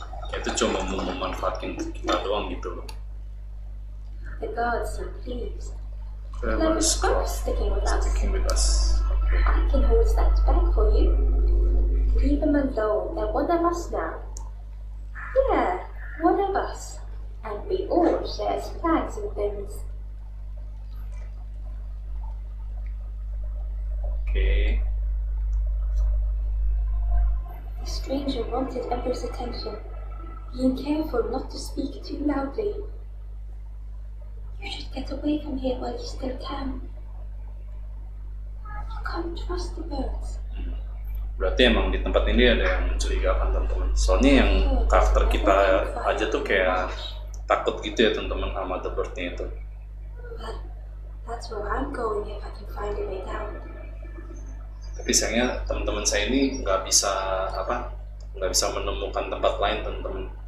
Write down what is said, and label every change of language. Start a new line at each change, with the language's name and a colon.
Indonesian: Kayak itu cuma mau memanfaatkan kita doang gitu loh.
English: The guards seem pleased. Clever scrub sticking with us. Sticking with us. I can hold that back for you. Leave them alone. They're one of us now. Yeah, one of us. And we all share flags and things. Okay. The stranger wanted Amber's attention, being careful not to speak too loudly. You should get away from here while you still can. Can't trust the birds.
Indonesian: Berarti emang di tempat ini ada yang mencurigakan teman-teman. Soalnya yang karakter kita aja tuh kayak takut gitu ya teman-teman sama the birdnya itu.
English: That's where I'm going if I can find a way down.
Indonesian: Tapi sayangnya teman-teman saya ini nggak bisa menemukan tempat lain teman-teman.